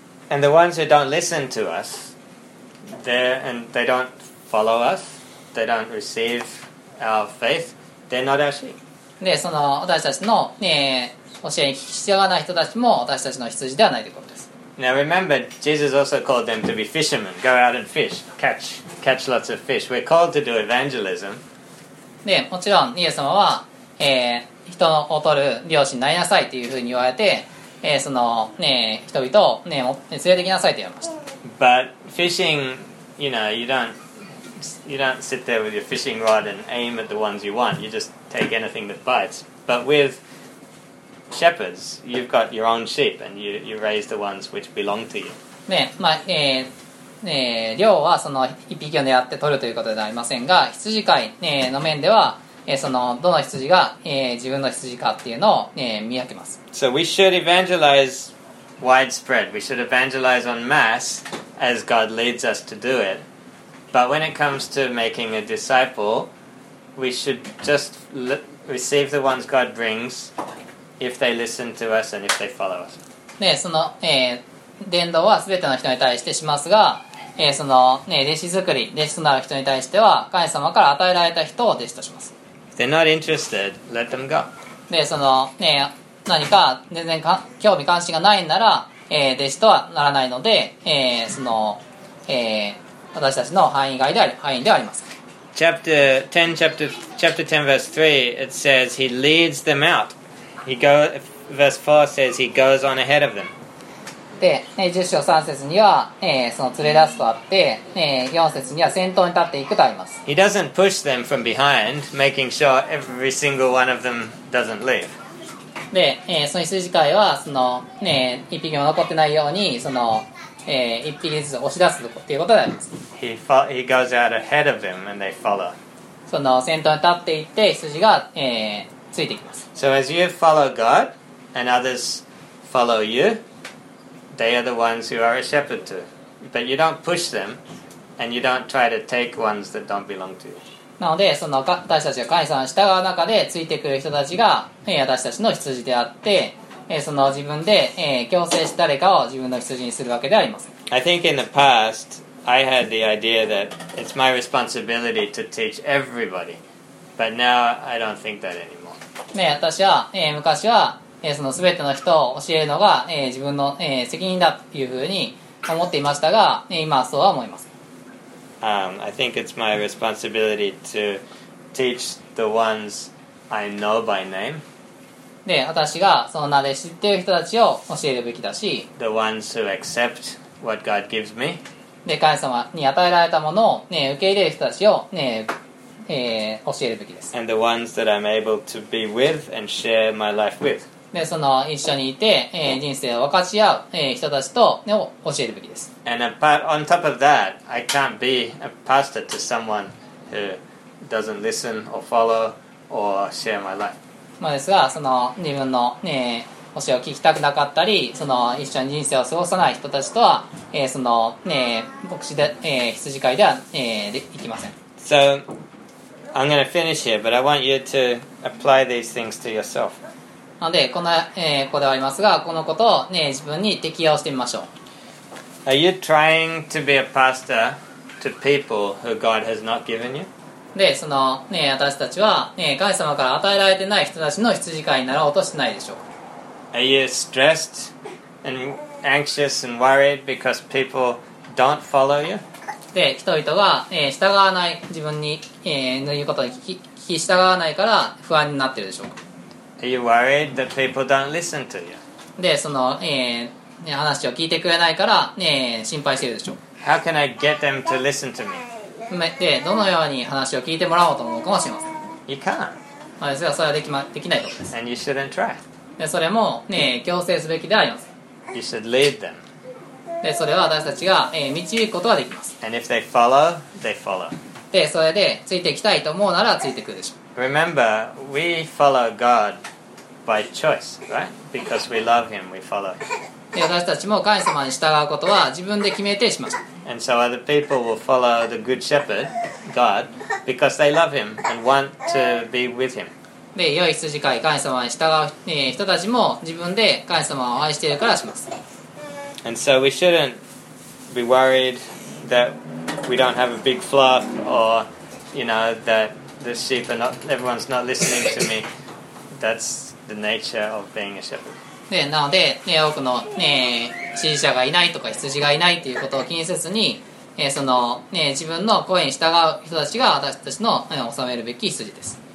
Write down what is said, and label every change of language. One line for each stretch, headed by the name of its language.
English: And the ones who don't listen to us. And they don't follow us, they don't receive our faith, they're not our sheep.
Japanese: で、その私たちの、教えに聞き従わない人たちも私たちの羊ではないということです。
English: Now remember, Jesus also called them to be fishermen, go out and fish, catch lots of fish. We're called to do evangelism.
Japanese: で、もちろんイエス様は、人を取る漁師になりなさいというふうに言われて、その、人々を、連れてきなさいと言われました。
English: But fishing, you know, you don't sit there with your fishing rod and aim at the ones you want. You just take anything that bites. But with shepherds, you've got your own sheep and you raise the ones which belong to you.
Japanese: ね、まあ、漁はその一匹を狙って取るということではありませんが、羊飼い、の面では、そのどの羊が、自分の羊かっていうのを、見分けます。
English: So we should evangelize widespread. We should evangelize en masse. As God leads us to do it, but when it comes to making a disciple, we should just receive the ones God brings if they listen to us and if they follow us.
Japanese: ね、その、伝道は全ての人に対してしますが、その、ね、弟子作り、弟子となる人に対しては、神様から与えられた人を弟子とします。
English: If they're not interested, let them go.
Japanese: で、その、ね、何か全然か興味関心がないなら、弟子とはならないので、その、私たちの範囲外である、範囲ではあります。
English: Chapter 10, verse 3, it says, He leads them out. Verse 4 says, He goes on ahead of them.
Japanese: で、ね、10章3節には、その連れ出すとあって、4節には先頭に立っていくとあります。
English: He doesn't push them from behind, making sure every single one of them doesn't leave.
Japanese: で、その羊飼いはその、ね、一匹も残ってないようにその、一匹ずつ押し出すということであります。
English: He goes out ahead of them and they follow.
Japanese: その先頭に立っていって羊が、ついていきます。
English: So as you follow God and others follow you, they are the ones who are a shepherd to. But you don't push them and you don't try to take ones that don't belong to you.
Japanese: なのでその私たちが神様に従う中でついてくる人たちが、私たちの羊であって、その自分で、強制して誰かを自分の羊にするわけではありません。
English: I think in the past, I had the idea that it's my responsibility to teach everybody. But now, I don't think that anymore.
Japanese: ね、私は、昔は、その全ての人を教えるのが、自分の、責任だというふうに思っていましたが、今はそうは思います。
English: I think it's my responsibility to teach the ones I know by name.
Japanese: で、私がその名で知っている人たちを教えるべきだし。
English: The ones who accept what God gives me.
Japanese: で、神様に与えられたものを、ね、受け入れる人たちを、ね、教えるべきです。
English: And the ones that I'm able to be with and share my life with.
Japanese: で、その一緒にいて、人生を分かち合う、人たちと、ね、を教えるべきです。
English: And apart, on top of that, I can't be a pastor to someone who doesn't listen or follow or share my life.
Japanese: まあですが、その自分の、教えを聞きたくなかったり、その一緒に人生を過ごさない人たちとは、その、牧師で、羊飼いでは、いきません。
English: So, I'm going to finish here, but I want you to apply these things to yourself.
Japanese: なので この、ここではありますが、このことを、ね、自分に適用してみましょう。
English: Are you trying to be a pastor to people who God has not given you?
Japanese: で、その、ね、私たちは、ね、神様から与えられてない人たちの羊飼いになろうとしてないでしょうか。
English: Are you stressed and anxious and worried because people don't follow you?
Japanese: で、人々が、従わない、自分に、の言うことに聞き従わないから不安になっているでしょうか。
English: Are you worried that people don't listen to you?
Japanese: で、その、話を聞いてくれないから、心配してるでしょう。
English: How can I get them to listen to me?
Japanese: で、どのように話を聞いてもらおうと思うかもしれません。
English: You can't.
Japanese: まあ、ですが、それはできないことです。
English: And you shouldn't try.
Japanese: で、それも、強制すべきではあります。
English: You should lead them.
Japanese: で、それは私たちが、導くことができます。
English: And if they follow, they follow.
Japanese: で、それで、ついていきたいと思うなら、ついてくるでしょう。
English: Remember, we follow God by choice, right? Because we love Him, we follow Him.
Japanese: 私たちも神様に従うことは自分で決めてしまう。
English: And so other people will follow the Good Shepherd, God, because they love Him and want to be with Him.
Japanese: で、良い羊飼い、神様に従う人たちも自分で神様を愛しているからします。
English: And so we shouldn't be worried that we don't have a big flock or, you know, thatThe sheep are not, everyone's not listening to me. That's the nature of being a shepherd.
Japanese: で、なので、ね、多くの、ね、支持者がいないとか羊がいないということを気にせずに、その、ね、自分の声に従う人たちが私たちの、治めるべき羊です。